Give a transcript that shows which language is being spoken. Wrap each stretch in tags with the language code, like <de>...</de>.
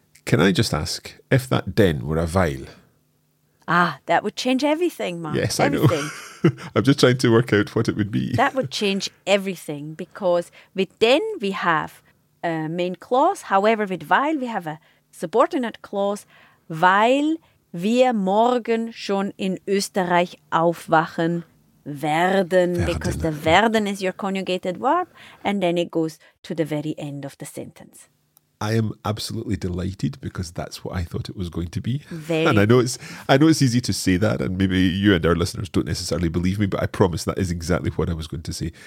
<en>Can I just ask if that denn were a weil? Ah, that would change everything, Mark. Yes, everything. I know. I'm just trying to work out what it would be. That would change everything because with den we have a main clause. However, with weil we have a subordinate clause.</en> <de>Weil wir morgen schon in Österreich aufwachen werden.</de> <en>Because the werden is your conjugated verb and then it goes to the very end of the sentence. I am absolutely delighted because that's what I thought it was going to be. Very. And I know it's easy to say that, and maybe you and our listeners don't necessarily believe me, but I promise that is exactly what I was going to say.</en>